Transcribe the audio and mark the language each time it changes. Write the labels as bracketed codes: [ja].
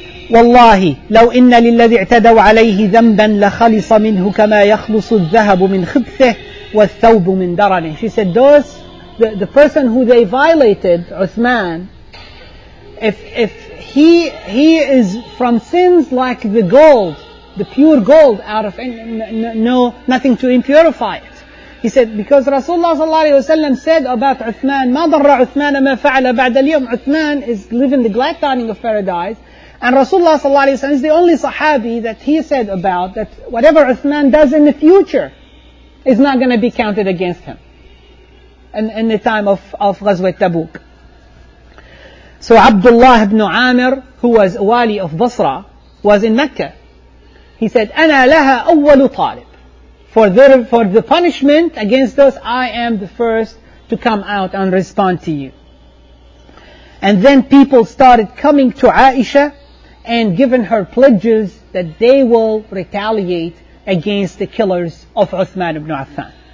[ar] والله لو إن للذي اعتدوا عليه ذنبا لخلص منه كما يخلص الذهب من خبثه والثوب من درنه. [en] She said, the person who they violated, Uthman, if he is from sins like the gold, the pure gold out of nothing to impurify it. He said, because Rasulullah sallallahu alayhi wa sallam said about Uthman, [ar] ما ضر عثمان ما فعل بعد اليوم. [en] Uthman is living the glad tidings of paradise. And Rasulullah sallallahu alayhi wa sallam is the only sahabi that he said about that whatever Uthman does in the future is not going to be counted against him in the time of Ghazwat Tabuk. So Abdullah ibn Amir, who was wali of Basra, was in Mecca. He said, [ar] أَنَا لَهَا أَوَّلُ طَالِبٍ. [en] For the punishment against those, I am the first to come out and respond to you. And then people started coming to Aisha and given her pledges that they will retaliate against the killers of Uthman ibn Affan.